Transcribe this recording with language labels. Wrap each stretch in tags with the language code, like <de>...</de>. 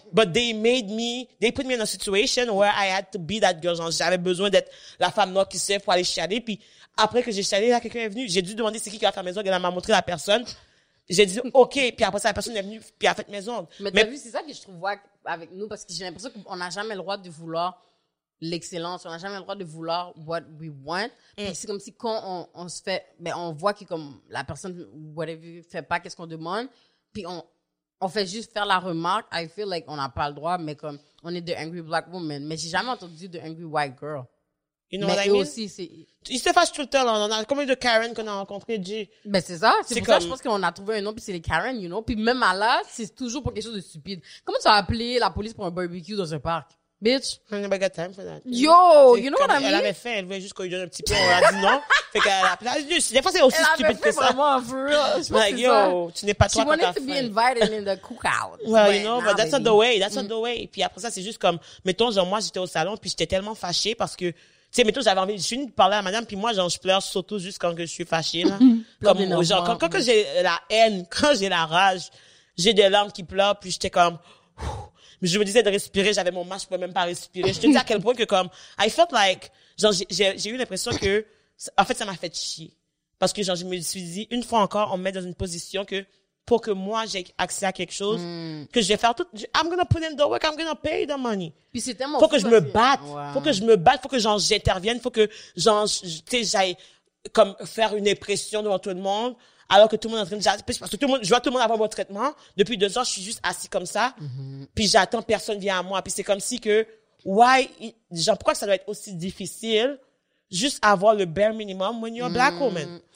<en>But they put me in a situation where I had to be that girl.</en> <fr>Genre, j'avais besoin d'être la femme noire qui sait pour aller chialer. Puis après que j'ai chialé, là, quelqu'un est venu. J'ai dû demander c'est qui va faire mes ongles. Elle m'a montré la personne. J'ai dit OK, puis après ça, la personne est venue, puis elle a fait mes ongles. Mais t'as vu, c'est ça que je trouve avec nous, parce que j'ai l'impression qu'on n'a jamais le droit de vouloir l'excellence, on n'a jamais le droit de vouloir</fr> <en>what we want.</en> <fr>Puis c'est comme si quand on se fait, mais on voit que comme la personne,</fr> <en>whatever,</en> <fr>fait pas qu'est-ce qu'on demande, puis on fait juste faire la remarque,</fr> <en>I feel like</en> <fr>on n'a pas le droit, mais comme on est</fr> <en>the angry black woman.</en> <fr>Mais j'ai jamais entendu</fr> <en>the angry white girl. You know what I mean?</en> <fr>Aussi, c'est... Ils se fâchent tout le temps. Là. On a combien de Karen qu'on a rencontré, G? Ben, c'est ça. C'est pour comme... ça, je pense qu'on a trouvé un nom, puis c'est les Karen,</fr> <en>you know?</en> <fr>Puis même à là, c'est toujours pour quelque chose de stupide. Comment tu vas appeler la police pour un barbecue dans un parc?</fr> <en>Bitch. I never got time for that. Yo, you know what I mean?</en> <fr>Elle avait faim, elle voulait juste qu'on lui donne un petit peu. Elle a dit non. Fait qu'elle a appelé. Des fois, c'est aussi elle stupide avait que ça. Vraiment,</fr> <en>for real. Like,</en> <fr>c'est</fr> <en>yo,</en> <fr>ça. Tu n'es pas trop content.</fr> <en>She wanted to be invited in the cookout. Well, you know, but that's not the way. That's not the way.</en> <fr>Puis après ça, c'est juste comme, mettons, genre, moi, j'étais au salon, puis j'étais tellement fâchée parce que, tu sais, mettons, j'avais envie, je suis venue parler à madame, puis moi, genre, je pleure surtout juste quand je suis fâchée, là. Comme, genre, quand j'ai la haine, quand j'ai la rage, j'ai des larmes qui pleurent, puis j'étais comme, je me disais de respirer, j'avais mon masque, je pouvais même pas respirer. Je te dis à quel point que comme,</fr> <en>I felt like,</en> <fr>genre, j'ai eu l'impression que, en fait, ça m'a fait chier. Parce que, genre, je me suis dit, une fois encore, on me met dans une position que, pour que moi j'ai accès à quelque chose que je vais faire tout.</fr> <en>I'm gonna put in the work, I'm gonna pay the money.</en> <fr>Puis c'est tellement faut que je me batte, faut que je me batte, faut que genre j'intervienne, faut que genre tu sais j'aille comme faire une impression devant tout le monde alors que tout le monde est en train de parce que tout le monde je vois tout le monde avoir mon traitement depuis 2 ans, je suis juste assis comme ça. Mm-hmm. Puis j'attends, personne vient à moi, puis c'est comme si que</fr> <en>why</en> <fr>genre pourquoi ça doit être aussi difficile juste avoir le</fr> <en>bare minimum when you're a black woman.</en>